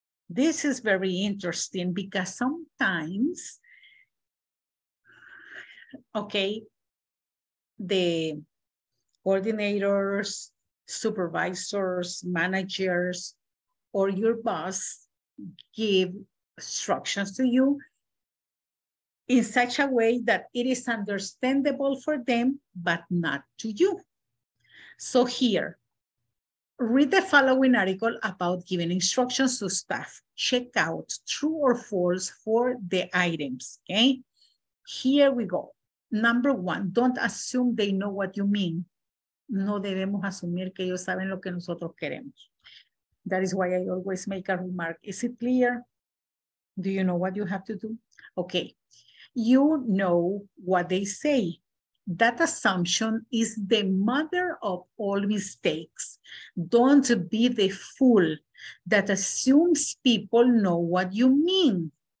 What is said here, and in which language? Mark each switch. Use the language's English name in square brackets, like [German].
[English] This is very interesting because sometimes, okay, the coordinators, supervisors, managers, or your boss give instructions to you in such a way that it is understandable for them, but not to you. So here, read the following article about giving instructions to staff. Check out true or false for the items, okay? Here we go. Number one, don't assume they know what you mean. [Spanish] No debemos asumir que ellos saben lo que nosotros queremos. [English] That is why I always make a remark. Is it clear? Do you know what you have to do? Okay. You know what they say. That assumption is the mother of all mistakes. Don't be the fool that assumes people know what you mean.